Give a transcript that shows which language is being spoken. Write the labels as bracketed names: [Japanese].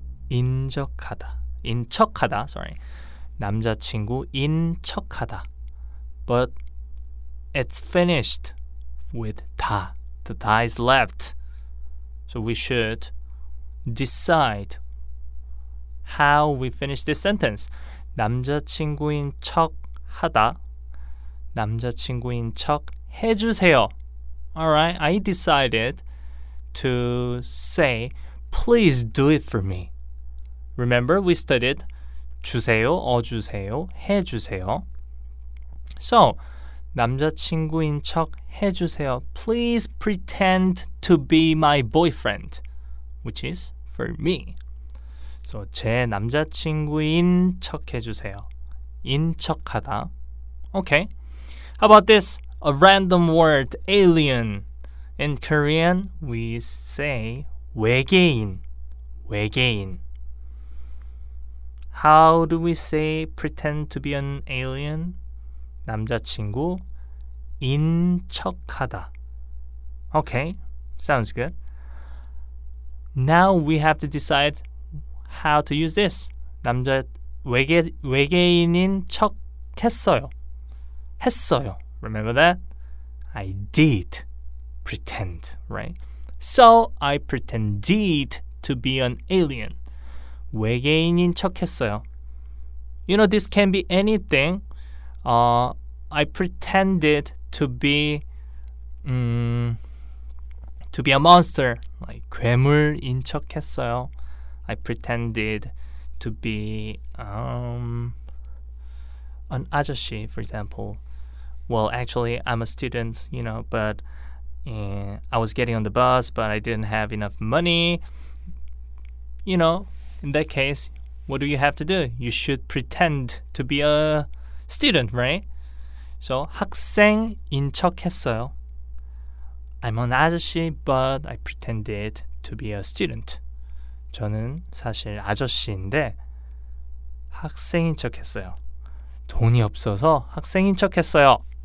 [Korean] 인적하다. 인척하다, [English] sorry. [Korean] 남자친구, 인척하다. [English] But it's finished with 다. The 다 is left. So we should decide how we finish this sentence. [Korean] 남자친구인 척 하다. 남자친구인 척 해주세요. [English] Alright, I decided to say, please do it for me. Remember, we studied 주세요, 어주세요, 해주세요. [Korean] So, 남자친구인 척 해주세요. [English] Please pretend to be my boyfriend, which is for me. [Korean] So, 제 남자친구인 척 해주세요. 인척하다. [English] Okay. How about this? A random word, alien. In Korean, we say 외계인. 외계인. How do we say pretend to be an alien? [Korean] 남자친구 인척하다. [English] Okay, sounds good. Now we have to decide how to use this. [Korean] 남자 외계인인 척했어요. [English] 했어요. Remember that? I did pretend, right? So I pretended to be an alien. [Korean] 외계인인 척했어요. [English] You know, this can be anything. I pretended to be a monster, like [Korean] 괴물인 척했어요. [English] I pretended to be an 아저씨, for example. Well, actually, I'm a student, you know, but I was getting on the bus, but I didn't have enough money. You know, in that case, what do you have to do? You should pretend to be a student, right? [Korean] So, 학생인 척했어요. [English] I'm an 아저씨, but I pretended to be a student. [Korean] 저는 사실 아저씨인데 학생인 척했어요. 돈이 없어서 학생인 척했어요.